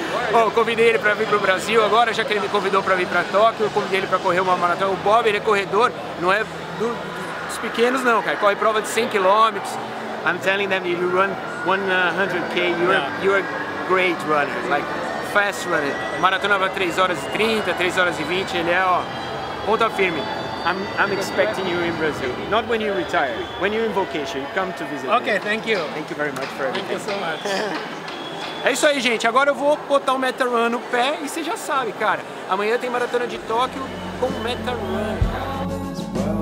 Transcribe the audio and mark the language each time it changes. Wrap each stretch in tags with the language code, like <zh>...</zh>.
<pt>Bom, convidei ele para vir para o Brasil agora, já que ele me convidou para vir para Tóquio, convidei ele para correr uma maratona. O Bob, ele é corredor, não é dos pequenos não, cara. Corre prova de 100 km.</pt> <en>I'm telling them, if you run 100K, you're a great runner, like fast runner.</en> <pt>Maratona vai 3 horas e 30, 3 horas e 20, ele é, ó, ponta firme.</pt> <en>I'm expecting you in Brazil. Not when you retire, when you're in vacation, come to visit. Okay, me. Thank you. Thank you very much for everything. Thank you so much.</en> <pt>É isso aí, gente. Agora eu vou botar o MetaRun no pé e você já sabe, cara. Amanhã tem maratona de Tóquio com o MetaRun.</pt>